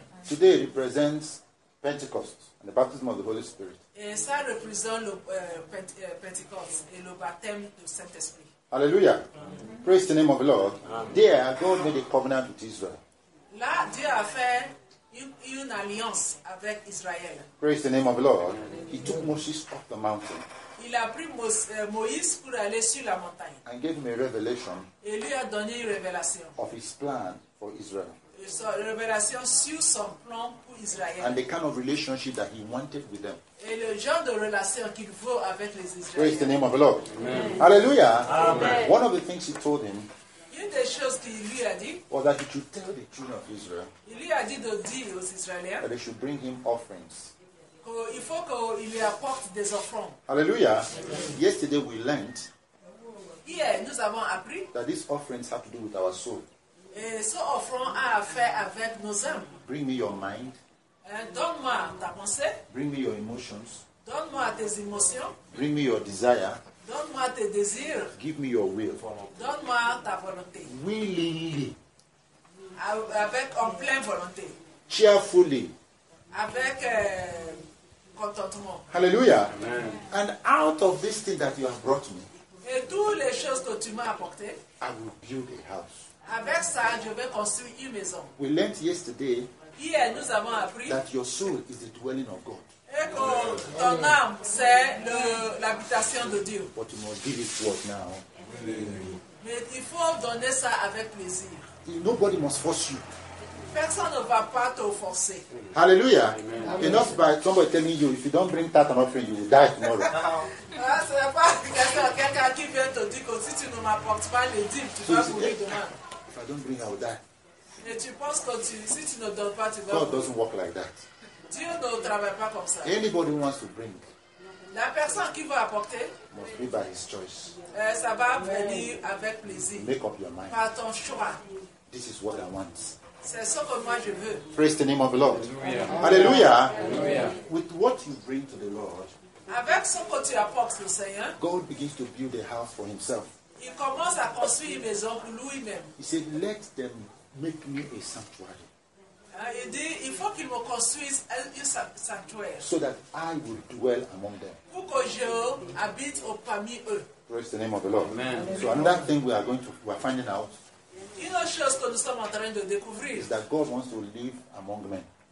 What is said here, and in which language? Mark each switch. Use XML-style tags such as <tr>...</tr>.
<en>Today represents Pentecost and the baptism of the Holy Spirit.</en> <fr>Et ça représente le Pentecost et le baptême du Saint-Esprit.</fr> <en>Alléluia. Praise the name of the Lord. Amen. There God made a covenant with Israel.</en> <fr>Là Dieu a fait une alliance avec Israël.</fr> <en>Praise the name of the Lord. He took Moses up the mountain.</en> <fr>Il a pris Moïse pour aller sur la montagne.</fr> <en>And gave him a revelation.</en> <fr>Et lui a donné une révélation.</fr> <en>Of his plan for Israel.</en> <fr>Une révélation sur son plan pour Israël.</fr> <en>And the kind of relationship that he wanted with them.</en> <fr>Et le genre de relation qu'il veut avec les Israéliens.</fr> <en>Praise the name of the Lord. Amen. Hallelujah. Amen. One of the things he told him.</en> <fr>Une des choses qu'il lui a dit.</fr> <en>Was that he should tell the children of Israel.</en> <fr>Il lui a dit de dire aux Israéliens.</fr> <en>That they should bring him offerings.</en> <fr>Il faut qu'il lui apporte des offrandes.</fr> <en>Alléluia. Yesterday we learned.</en> <fr>Hier, nous avons appris.</fr> <en>That these offerings have to do with our soul.</en> <fr>Et ce offrande a affaire avec nos âmes.</fr> <en>Bring me your mind.</en> <fr>Donne-moi ta pensée.</fr> <en>Bring me your emotions.</en> <fr>Donne-moi tes émotions.</fr> <en>Bring me your desire.</en> <fr>Donne-moi tes désirs.</fr> <en>Give me your will.</en> <fr>Donne-moi ta volonté.</fr> <en>Willingly.</en> <fr>Avec en pleine volonté.</fr> <en>Cheerfully.</en> <fr>Avec</fr> <en>Hallelujah. Amen. And out of this thing that you have brought me,</en> <fr>et toutes les choses que tu m'as apporté,</fr> <en>I will build a house.</en> <fr>Avec ça, je vais construire une maison.</fr> <en>We learned yesterday</en> <fr>nous avons appris</fr> <en>that your soul is the dwelling of God.</en> <fr>Et que ton âme, c'est l'habitation de Dieu.</fr> <en>But you must give it what now.</en> <fr>Mais il faut donner ça avec plaisir.</fr> <en>Nobody must force you.</en> <fr>Personne ne va pas te forcer.</fr> <en>Hallelujah. Amen. Enough by somebody telling you, if you don't bring that and offering, you will die tomorrow.</en> <fr>Ce n'est pas quelqu'un qui vient te dire que si tu ne m'apportes pas les dîmes, tu vas mourir demain.</fr> <en>If I don't bring, I will die.</en> <fr>Mais tu penses que si tu ne donnes pas, tu vas mourir.</fr> <en>God doesn't work like that.</en> <fr>Dieu ne travaille pas comme ça.</fr> <en>Anybody wants to bring.</en> <fr>La personne qui veut apporter</fr> <en>must be by his choice.</en> <fr>Ça va venir avec plaisir.</fr> <en>Make up your mind.</en> <fr>Par ton choix.</fr> <en>This is what I want.</en> <fr>C'est ce que moi je veux.</fr> <en>Praise the name of the Lord. Hallelujah. Hallelujah. Hallelujah. With what you bring to the Lord,</en> <fr>avec ce que tu apportes au Seigneur,</fr> <en>God begins to build a house for himself.</en> <fr>Il commence à construire une maison pour lui-même.</fr> <en>He said, let them make me a sanctuary.</en> <fr>Il dit, il faut qu'il me construise un sanctuaire.</fr> <en>So that I will dwell among them.</en> <fr>Pour que je habite parmi eux.</fr> <en>Praise the name of the Lord. Amen. So another thing we are finding out.</en> <fr>Une autre chose que nous sommes en train de découvrir,</fr> <en>is that God wants to live among men.</en>